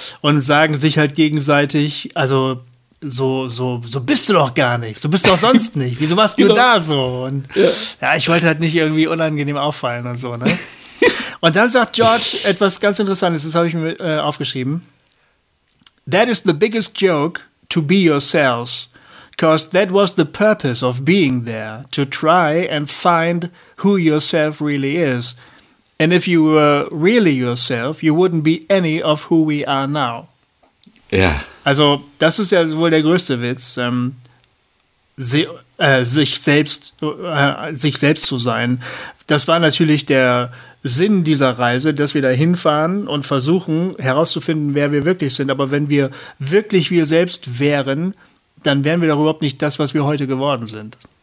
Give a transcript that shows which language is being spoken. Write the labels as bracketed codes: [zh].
[de] Und sagen sich halt gegenseitig, also so bist du doch gar nicht. So bist du doch sonst nicht. Wieso warst du da so? Und ich wollte halt nicht irgendwie unangenehm auffallen und so, ne? Und dann sagt George etwas ganz Interessantes, das habe ich mir aufgeschrieben. [en] That is the biggest joke, to be yourselves, because that was the purpose of being there, to try and find who yourself really is. And if you were really yourself, you wouldn't be any of who we are now. [de] Ja. Also das ist ja wohl der größte Witz, sich selbst zu sein. Das war natürlich der Sinn dieser Reise, dass wir da hinfahren und versuchen herauszufinden, wer wir wirklich sind. Aber wenn wir wirklich wir selbst wären, dann wären wir doch überhaupt nicht das, was wir heute geworden sind.